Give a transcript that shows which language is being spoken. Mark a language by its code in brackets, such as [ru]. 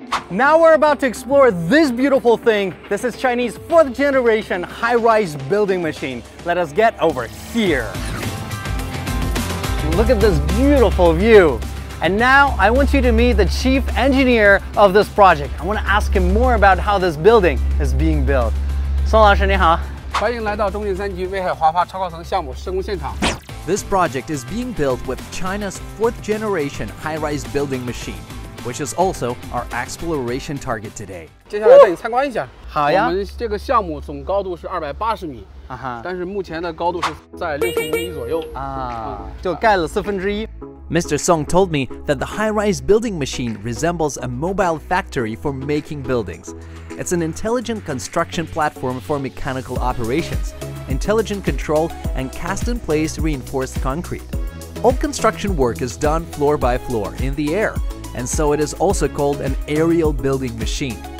[en] Now we're about to explore this beautiful thing. This is Chinese fourth generation high-rise building machine. Let us get over here. Look at this beautiful view. And now I want you to meet the chief engineer of this project. I want to ask him more about how this building is being built. [zh] Song 老师, 你好. 欢迎来到中建三局 威海华发超高层项目施工现场。 [en] This project is being built with China's fourth generation high-rise building machine, which is also our exploration target today. [zh] 接下来带你参观一下。好呀。我们这个项目总高度是280米。但是目前的高度是在65米左右。就盖了四分之一。 [en] Mr. Song told me that the high-rise building machine resembles a mobile factory for making buildings. It's an intelligent construction platform for mechanical operations, intelligent control, and cast-in-place reinforced concrete. All construction work is done floor by floor in the air, and so it is also called an aerial building machine.